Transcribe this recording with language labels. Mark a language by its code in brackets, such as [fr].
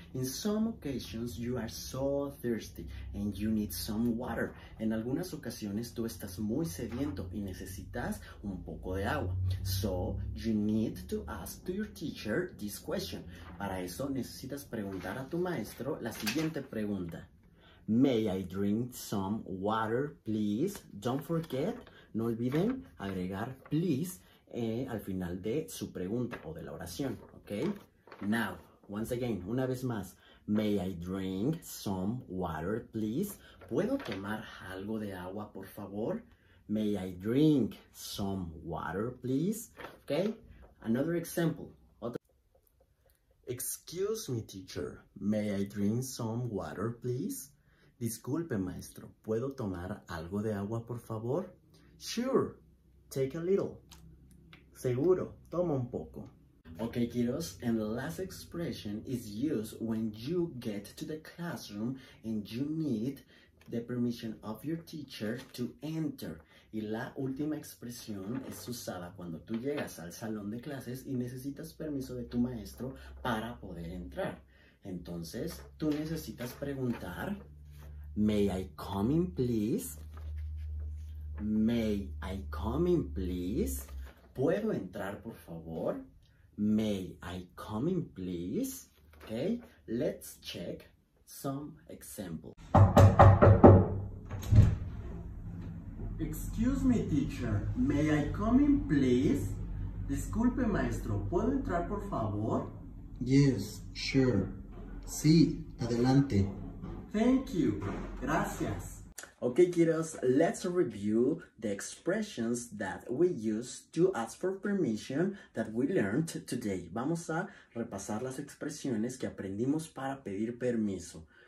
[en] In some occasions, you are so thirsty and you need some water. [es] En algunas ocasiones, tú estás muy sediento y necesitas un poco de agua. [en] So, you need to ask to your teacher this question. [es] Para eso, necesitas preguntar a tu maestro la siguiente pregunta. [en] May I drink some water, please? Don't forget, [es] no olviden agregar please al final de su pregunta o de la oración, ¿ok? [en] Now, once again, [es] una vez más. [en] May I drink some water, please? [es] ¿Puedo tomar algo de agua, por favor? [en] May I drink some water, please? ¿Ok? Another example. Excuse me, teacher. May I drink some water, please? [es] Disculpe, maestro, ¿puedo tomar algo de agua, por favor? [en] Sure, take a little. [es] Seguro, toma un poco. [en] Okay, kiddos, and the last expression is used when you get to the classroom and you need the permission of your teacher to enter. [es] Y la última expresión es usada cuando tú llegas al salón de clases y necesitas permiso de tu maestro para poder entrar. Entonces, tú necesitas preguntar, [en] may I come in, please? May I come in, please? [es] ¿Puedo entrar, por favor? [en] May I come in, please? Okay, let's check some examples. Excuse me, teacher. May I come in, please? [es] Disculpe, maestro. ¿Puedo entrar, por favor? [en] Yes, sure. [es] Sí, adelante. [en] Thank you. [es] Gracias. [en] Okay, kiddos, let's review the expressions that we use to ask for permission that we learned today. [es] Vamos a repasar las expresiones que aprendimos para pedir permiso.